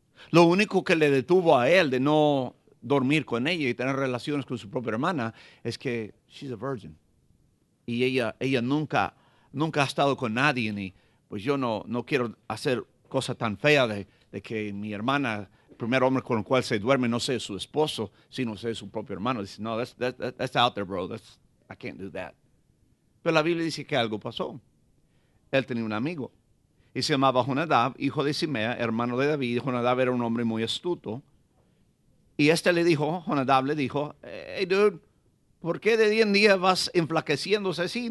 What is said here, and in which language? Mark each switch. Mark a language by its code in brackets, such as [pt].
[es] Lo único que le detuvo a él de no dormir con ella y tener relaciones con su propia hermana es que [en] she's a virgin. [es] Y ella nunca ha estado con nadie. Ni, pues yo no quiero hacer cosa tan fea de que mi hermana, el primer hombre con el cual se duerme, no sea su esposo, sino sea su propio hermano. Dice, no, [en] that's out there, bro. I can't do that. [es] Pero la Biblia dice que algo pasó. Él tenía un amigo. Y se llamaba Jonadab, hijo de Simea, hermano de David. Jonadab era un hombre muy astuto. Y este le dijo, Jonadab le dijo, [en] hey, dude, [es] ¿por qué de día en día vas enflaqueciéndose así?